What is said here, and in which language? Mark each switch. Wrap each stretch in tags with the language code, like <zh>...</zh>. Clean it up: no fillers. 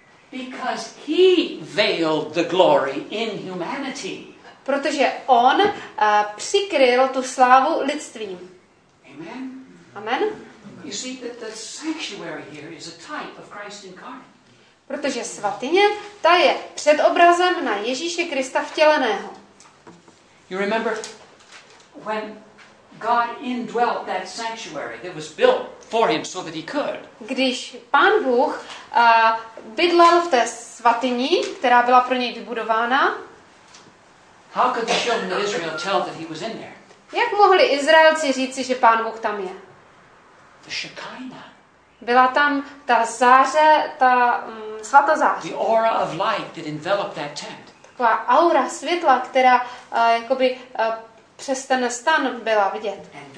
<en>Because he veiled the glory in humanity.</en> <cs>Protože on přikryl tu slávu lidstvím.</cs> <en>Amen.</en> <cs>Amen.</cs> <en>You see that the sanctuary here is a type of Christ incarnate.</en> <cs>Protože svatyně, ta je předobrazem na Ježíše Krista vtěleného.</cs> <en>You remember when God indwelt that sanctuary that was built for him so that he could.</en> <cs>Když Pán Bůh bydlel v té svatyni, která byla pro něj vybudována.</cs> <en>How could the children of Israel tell that he was in there?</en> <cs>Jak mohli Izraelci říci, že Pán Bůh tam je?</cs> <en>The Shekinah.</en> <cs>Byla tam ta záře, ta svatá záře.</cs> <en>The aura of light that enveloped that tent.</en> <cs>Taková aura světla, která jakoby přes ten stan byla vidět.</cs>